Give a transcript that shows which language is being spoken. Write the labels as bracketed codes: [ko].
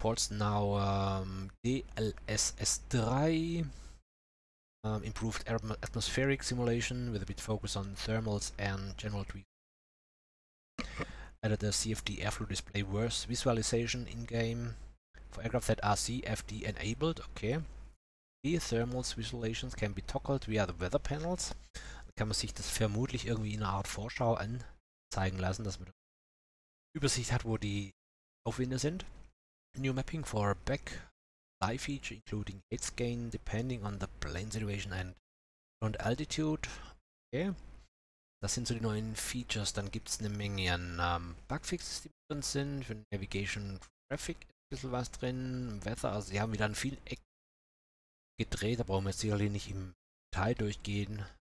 [en] Now DLSS3 improved atmospheric simulation with a bit focus on thermals and general tweaks. Added a CFD airflow display worth visualization in-game for aircraft that are CFD enabled. Okay. The thermals visualizations can be toggled via the weather panels. [de] Da kann man sich das vermutlich irgendwie in einer Art Vorschau anzeigen lassen, dass man da Übersicht hat, wo die Aufwinde sind. [en] New mapping for back fly feature including heights gain depending on the plane situation and ground altitude. Okay. [de] Das sind so die neuen Features. Dann gibt es eine Menge an Bugfixes, die drin sind. Für Navigation, Traffic ist ein bisschen was drin. Wetter, also sie haben wieder an vielen Ecken gedreht. Da brauchen wir jetzt sicherlich nicht im Detail durchgehen.